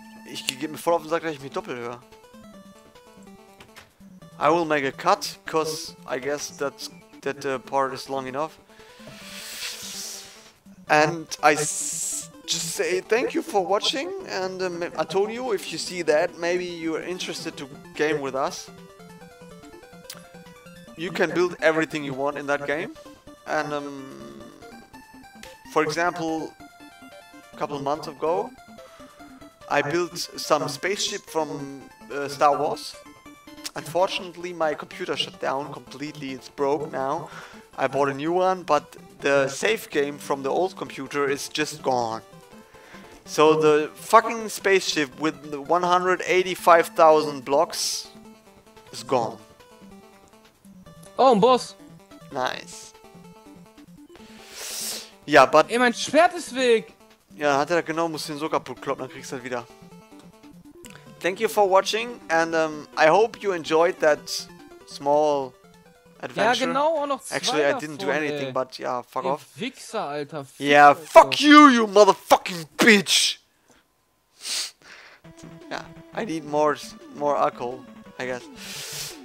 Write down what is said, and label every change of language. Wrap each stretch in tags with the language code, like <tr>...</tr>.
<de>Ich gebe mir voll auf den Sack, dass ich mich doppelt höre.</de> <en>I will make a cut, because I guess that part is long enough. And I just say thank you for watching, and I told you, if you see that, maybe you are interested to game with us. You can build everything you want in that game. And for example, a couple of months ago, I built some spaceship from Star Wars. Unfortunately, my computer shut down completely. It's broke now. I bought a new one, but the save game from the old computer is just gone. So the fucking spaceship with 185,000 blocks is gone.</en> <de>Oh, ein Boss.</de> <en>Nice. Yeah, but...</en> <de>Ey, mein Schwert ist weg. Ja, hat er das genommen, musst du ihn so kaputt kloppen, dann kriegst du das wieder.</de> <en>Thank you for watching and I hope you enjoyed that small adventure.</en> <de>Ja, genau, auch noch zwei.</de> <en>Actually,</en> <de>davon,</de> <en>I didn't do anything, ey. But yeah, fuck ey, off.</en> <de>Wichser, Alter. Fick, yeah, Alter.</de> <en>Fuck you, you motherfucking bitch! Yeah, I need more alcohol, I guess.</en>